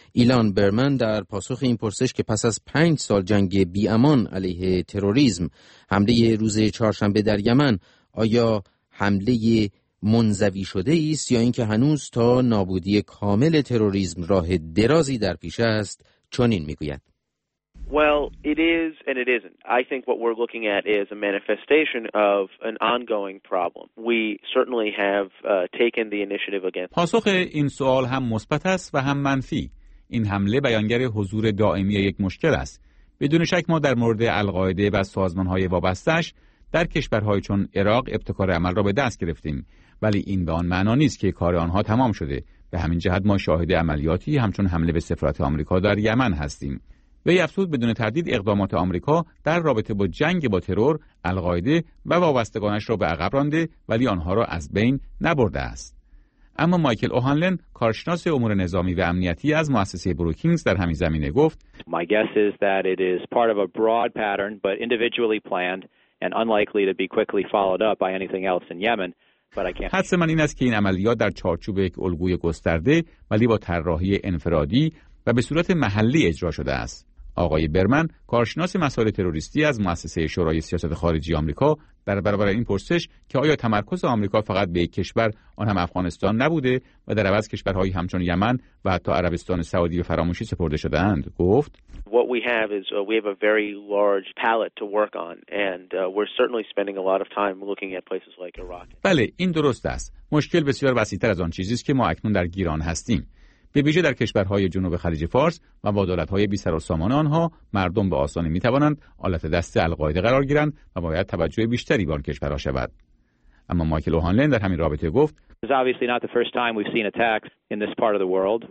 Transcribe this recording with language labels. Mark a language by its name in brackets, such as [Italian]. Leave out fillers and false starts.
[Persian] ایلان برمن در پاسخ این پرسش که پس از 5 جنگ بی امان علیه تروریسم، حمله روز چهارشنبه در یمن آیا حمله منزوی شده است یا اینکه هنوز تا نابودی کامل تروریسم راه درازی در پیش است، چنین میگوید. [English] Well, it is and it isn't. I think what we're looking at is a manifestation of an ongoing problem. We certainly have taken the initiative against. [Persian] پاسخ این سوال هم مثبت است و هم منفی. این حمله بیانگر حضور دائمی یک مشکل است. بدون شک ما در مورد القاعده و سازمان‌های وابسته‌اش در کشورهای چون عراق ابتکار عمل را به دست گرفتیم، ولی این به آن معنا نیست که کار آنها تمام شده. به همین جهت ما شاهد عملیاتی همچون حمله به سفارت آمریکا در یمن هستیم. وی افزود بدون تردید اقدامات آمریکا در رابطه با جنگ با ترور، القاعده و وابستگانش را به عقب رانده ولی آنها را از بین نبرده است. اما مایکل اوهانلن، کارشناس امور نظامی و امنیتی از مؤسسه بروکینگز در همین زمینه گفت: [English] My guess is that it is part of a broad pattern but individually planned and unlikely to be quickly followed up by anything else in Yemen. [Persian] حدث من این است که این عملیات در چارچوب یک الگوی گسترده ولی با طراحی انفرادی و به صورت محلی اجرا شده است. آقای برمن، کارشناس مسائل تروریستی از مؤسسه شورای سیاست خارجی آمریکا، در برابر این پرسش که آیا تمرکز آمریکا فقط به یک کشور، آن هم افغانستان نبوده و در عوض کشورهایی همچون یمن و حتی عربستان سعودی به فراموشی سپرده شده‌اند، گفت: [English] What we have is we have a very large palette to work on and we're certainly spending a lot of time looking at places like Iraq. [Persian] بله، این درست است. مشکل بسیار وسیع‌تر از آن چیزی است که ما اکنون در گیران هستیم. به ویژه در کشورهای جنوب خلیج فارس و با دولت‌های بی سر و سامان آنها، مردم به آسانی می‌توانند آلت دست القاعده قرار گیرند و باید توجه بیشتری به آن کشورها شود. اما مایکل اوهانلند در همین رابطه گفت: [English] It's obviously not the first time we've seen attacks in this part of the world.